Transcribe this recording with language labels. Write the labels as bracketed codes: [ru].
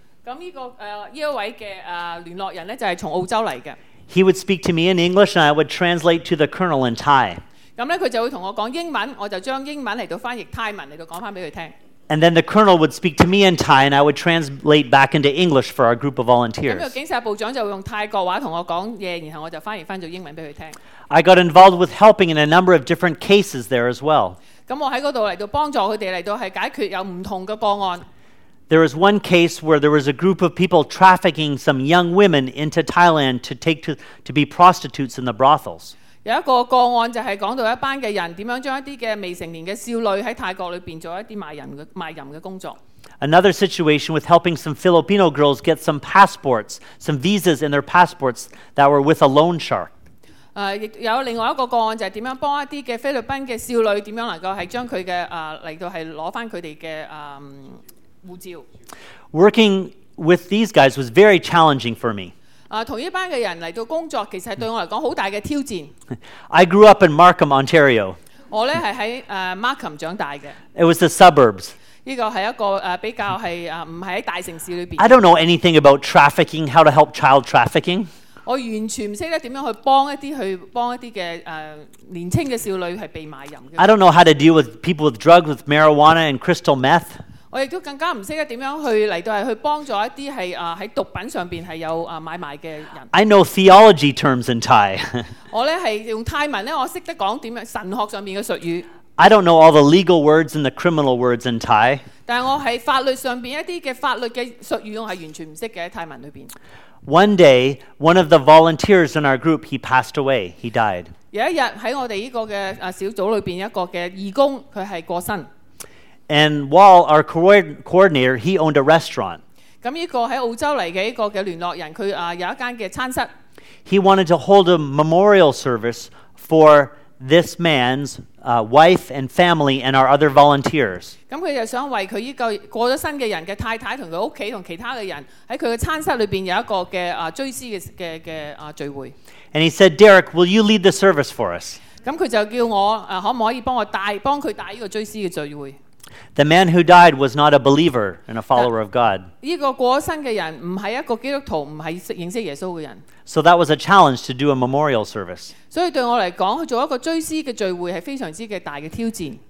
[yue] 咁呢個呢一位嘅聯絡人咧，就係從澳洲嚟嘅。 [en] He would speak to me in English, and I would translate to the colonel in Thai. [yue] 咁咧，佢就會同我講英文，我就將英文嚟到翻譯泰文嚟到講翻俾佢聽。 [en] And then the colonel would speak to me in Thai, and I would translate back into English for our group of volunteers. [yue] 咁個警察部長就用泰國話同我講嘢，然後我就翻譯翻做英文俾佢聽。 [en] I got involved with helping in a number of different cases there as well. [yue] 咁我喺嗰度嚟到幫助佢哋嚟到係解決有唔同嘅個案。 [en] There was one case where there was a group of people trafficking some young women into Thailand to take to be prostitutes in the brothels. [yue] 有一個個案就係講到一班嘅人點樣將一啲嘅未成年嘅少女喺泰國裏邊做一啲賣淫嘅工作。 [en] Another situation with helping some Filipino girls get some passports, some visas in their passports that were with a loan shark. [yue] 亦有另外一個個案就係點樣幫一啲嘅菲律賓嘅少女點樣能夠係將佢嘅嚟到係攞翻佢哋嘅護照。 [en] Working with these guys was very challenging for me. [yue] 同一班嘅人嚟到工作，其實係對我嚟講好大嘅挑戰。 [en] I grew up in Markham, Ontario. [yue] 我咧係喺Markham 長大嘅。 [en] It was the suburbs. [yue] 呢個係一個比較係唔係喺大城市裏邊。 [en] I don't know anything about trafficking, how to help child trafficking. [yue] 我完全唔識得點樣去幫一啲嘅年青嘅少女係被賣淫嘅。 [en] I don't know how to deal with people with drugs, with marijuana and crystal meth. [yue] 我亦都更加唔識得點樣去嚟到係去幫助一啲係喺毒品上邊係有買賣嘅人。 [en] I know theology terms in Thai. [yue] 我咧係用泰文咧，我識得講點樣神學上面嘅術語。 [en] I don't know all the legal words and the criminal words in Thai. [yue] 但我喺法律上邊一啲嘅法律嘅術語，我係完全唔識嘅喺泰文裏邊。 [en] One day, one of the volunteers in our group, he passed away. He died. [yue] 有一日喺我哋呢個嘅小組裏邊，一個嘅義工佢係過身。 [en] And Wall, our coordinator, he owned a restaurant. [yue] 咁呢個喺澳洲嚟嘅一個嘅聯絡人，佢有一間嘅餐室。 [en] He wanted to hold a memorial service for this man's wife and family and our other volunteers. [yue] 咁佢就想為佢依個過咗身嘅人嘅太太同佢屋企同其他嘅人喺佢嘅餐室裏邊有一個嘅追思嘅聚會。 [en] And he said, Derek, will you lead the service for us? [yue] 咁佢就叫我可唔可以幫佢帶依個追思嘅聚會。 [en] The man who died was not a believer and a follower of God. [yue] 依個過咗身嘅人唔係一個基督徒，唔係認識耶穌嘅人。 [en] So that was a challenge to do a memorial service. [yue] 所以對我嚟講，去做一個追思嘅聚會係非常之嘅大嘅挑戰。